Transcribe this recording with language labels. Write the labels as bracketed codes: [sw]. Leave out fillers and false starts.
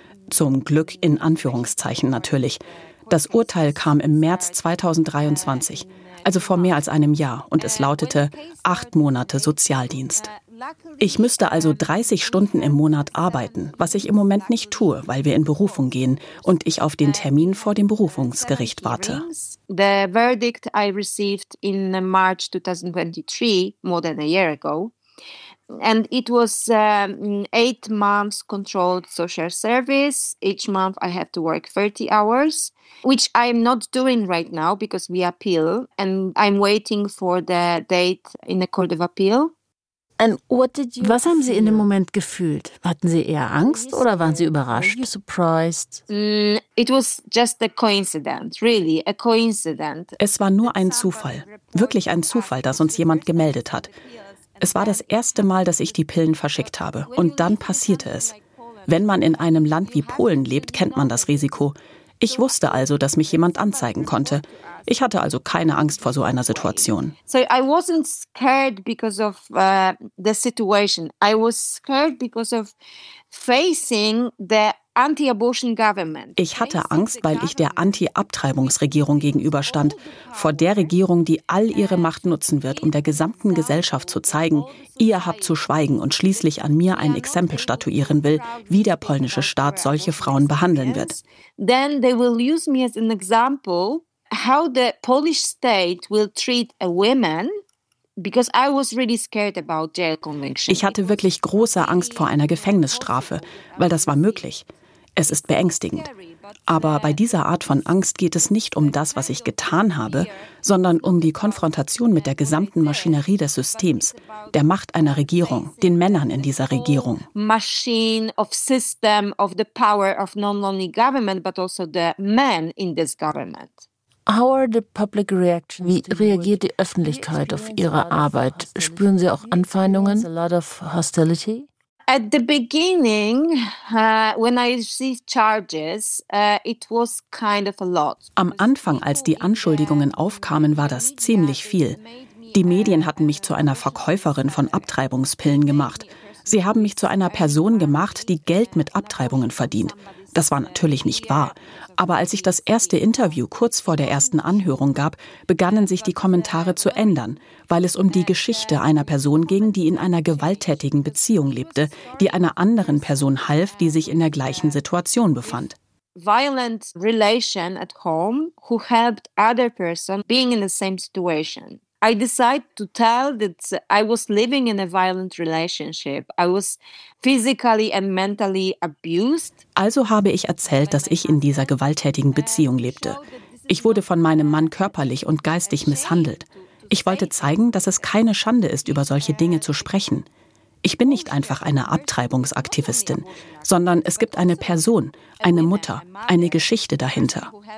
[de] Zum Glück in Anführungszeichen natürlich. Das Urteil kam im März 2023, also vor mehr als einem Jahr, und es lautete 8 Monate Sozialdienst. Ich müsste also 30 Stunden im Monat arbeiten, was ich im Moment nicht tue, weil wir in Berufung gehen und ich auf den Termin vor dem Berufungsgericht warte. [en] The verdict I received in March 2023, more than a year ago, and it was 8 months controlled social service. Each month I have to work 30 hours, which I'm not doing right now because we appeal and I'm waiting for the date in the court of appeal. And what did you [de] Was haben Sie in dem Moment gefühlt? Hatten Sie eher Angst oder waren Sie überrascht? [en] Surprised? It was just a coincidence, really, a coincidence. [de] Es war nur ein Zufall, wirklich ein Zufall, dass uns jemand gemeldet hat. Es war das erste Mal, dass ich die Pillen verschickt habe. Und dann passierte es. Wenn man in einem Land wie Polen lebt, kennt man das Risiko. Ich wusste also, dass mich jemand anzeigen konnte. Ich hatte also keine Angst vor so einer Situation. [en] So I wasn't scared because of the situation. I was scared because of facing the anti-abortion government. [de] Ich hatte Angst, weil ich der Anti-Abtreibungsregierung gegenüberstand, vor der Regierung, die all ihre Macht nutzen wird, um der gesamten Gesellschaft zu zeigen, ihr habt zu schweigen und schließlich an mir ein Exempel statuieren will, wie der polnische Staat solche Frauen behandeln wird. [en] Then they will use me as an example. How the Polish state will treat a woman, because I was really scared about jail conviction. [de] Ich hatte wirklich große Angst vor einer Gefängnisstrafe, weil das war möglich. Es ist beängstigend. Aber bei dieser Art von Angst geht es nicht um das, was ich getan habe, sondern um die Konfrontation mit der gesamten Maschinerie des Systems, der Macht einer Regierung, den Männern in dieser Regierung. [en] Machine of system of the power of not only government but also the men in this government. How are the public reactions? [de] Wie reagiert die Öffentlichkeit auf Ihre Arbeit? Spüren Sie auch Anfeindungen? [en] A lot of hostility. At the beginning, when I received charges, it was kind of a lot. [de] Am Anfang, als die Anschuldigungen aufkamen, war das ziemlich viel. Die Medien hatten mich zu einer Verkäuferin von Abtreibungspillen gemacht. Sie haben mich zu einer Person gemacht, die Geld mit Abtreibungen verdient. Das war natürlich nicht wahr. Aber als ich das erste Interview kurz vor der ersten Anhörung gab, begannen sich die Kommentare zu ändern, weil es um die Geschichte einer Person ging, die in einer gewalttätigen Beziehung lebte, die einer anderen Person half, die sich in der gleichen Situation befand. [en] Violent relation at home, who helped other person being in the same situation. I decided to tell that I was living in a violent relationship. I was physically and mentally abused. [de] Also habe ich erzählt, dass ich in dieser gewalttätigen Beziehung lebte. Ich wurde von meinem Mann körperlich und geistig misshandelt. Ich wollte zeigen, dass es keine Schande ist, über solche Dinge zu sprechen. Ich bin nicht einfach eine Abtreibungsaktivistin, sondern es gibt eine Person, eine Mutter, eine Geschichte dahinter.